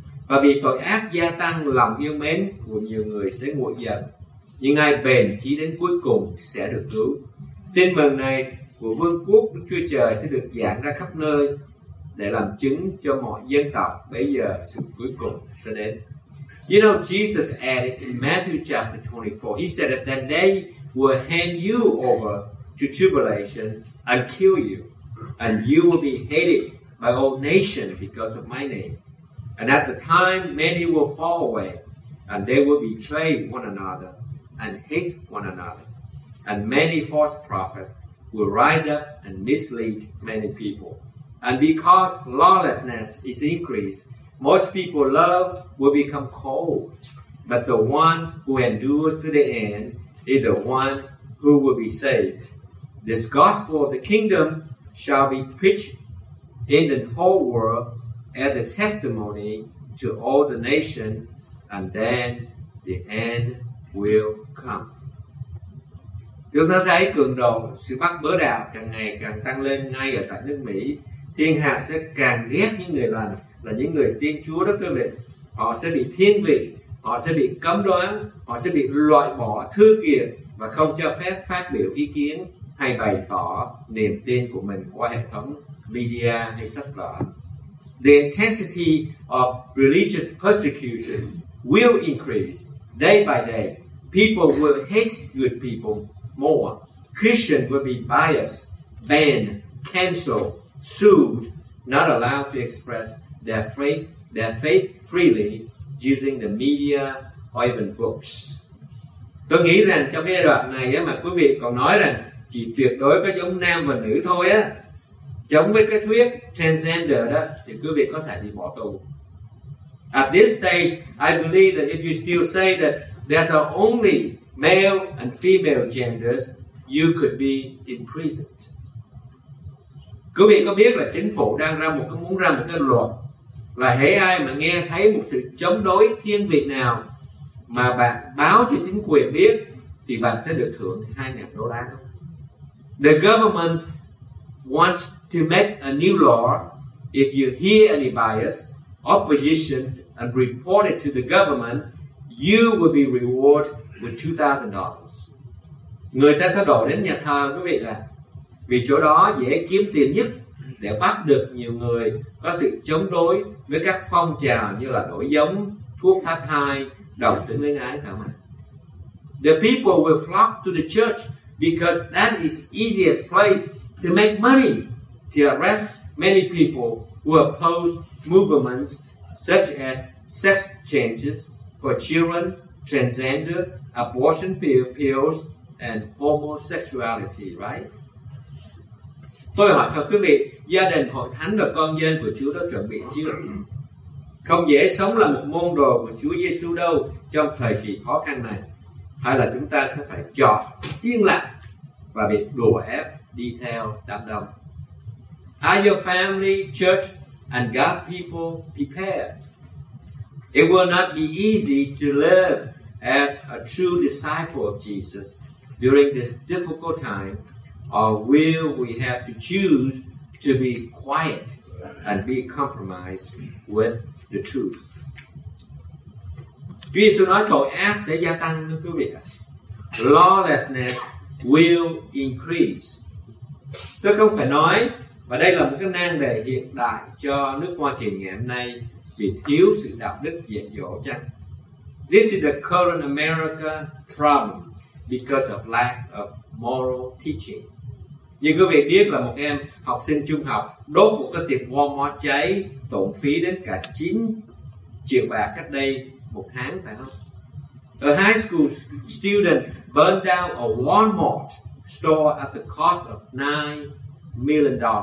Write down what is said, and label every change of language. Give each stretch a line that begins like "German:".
Vietnamese: Và vì tội ác gia tăng, lòng yêu mến của nhiều người sẽ nguội dần. Nhưng ai bền chí đến cuối cùng sẽ được cứu. Tin mừng này của vương quốc Đức Chúa Trời sẽ được giảng ra khắp nơi để làm chứng cho mọi dân tộc. Bây giờ sự cuối cùng sẽ đến.
English: You know, Jesus added in Matthew chapter 24, he said that then they will hand you over to tribulation and kill you, and you will be hated by all nations because of my name. And at the time, many will fall away, and they will betray one another, and hate one another. And many false prophets will rise up and mislead many people. And because lawlessness is increased, most people's love will become cold. But the one who endures to the end is the one who will be saved. This gospel of the kingdom shall be preached in the whole world as a testimony to all the nations, and then the end will come.
Vietnamese: Chúng ta thấy cường độ sự bắt bớ đạo càng ngày càng tăng lên ngay ở tại nước Mỹ. Thiên hạ sẽ càng ghét những người lành là những người tin Chúa đó quý vị. Họ sẽ bị thiên vị, họ sẽ bị cấm đoán, họ sẽ bị loại bỏ thư kiện và không cho phép phát biểu ý kiến hay bày tỏ niềm tin của mình qua hệ thống media hay sách vở.
English: The intensity of religious persecution will increase day by day. People will hate good people more. Christians will be biased, banned, canceled, sued, not allowed to express their faith freely using the media or even books.
Vietnamese: Tôi nghĩ rằng trong giai đoạn này mà quý vị còn nói rằng chỉ tuyệt đối có giống nam và nữ thôi á, giống với cái thuyết transgender đó, thì quý vị có thể bị bỏ tù.
English: At this stage, I believe that if you still say that there's only male and female genders, you could be imprisoned.
Vietnamese: Quý vị có biết là chính phủ đang muốn ra một cái luật là hễ ai mà nghe thấy một sự chống đối thiên vị nào mà bạn báo cho chính quyền biết thì bạn sẽ được thưởng $2,000.
English: The government wants to make a new law. If you hear any bias, opposition, and report it to the government, you will be rewarded with $2,000.
Vietnamese: Người ta sẽ đổ đến nhà thờ quý vị là vì chỗ đó dễ kiếm tiền nhất để bắt được nhiều người có sự chống đối với các phong trào như là đổi giống, thuốc phá thai, đồng tính luyến ái, phải không?
English: The people will flock to the church because that is easiest place to make money, to arrest many people who oppose movements such as sex changes for children, transgender, abortion pills, and homosexuality, right?
Vietnamese: Tôi hỏi cho quý vị, gia đình hội thánh và con dân của Chúa đã chuẩn bị chưa? Không dễ sống là một môn đồ của Chúa Giêsu đâu trong thời kỳ khó khăn này. Hay là chúng ta sẽ phải chọn yên lặng và bị đùa ép đi theo đám đông?
English: Are your family, church, and God people prepared? It will not be easy to live as a true disciple of Jesus during this difficult time, or will we have to choose to be quiet and be compromised with the truth?
Vietnamese: Chúa Giêsu nói tội ác sẽ gia tăng, thưa quý vị.
English: Lawlessness will increase.
Vietnamese: Tôi không phải nói, và đây là một cái nan đề hiện đại cho nước Hoa Kỳ ngày hôm nay vì thiếu sự đạo đức dạy dỗ chăng.
English: This is the current America problem because of lack of moral teaching.
Vietnamese: Như quý vị biết là một em học sinh trung học đốt một cái tiệm Walmart cháy tổn phí đến cả 9 triệu bạc cách đây một tháng, phải không?
English: A high school student burned down a Walmart store at the cost of $9 million.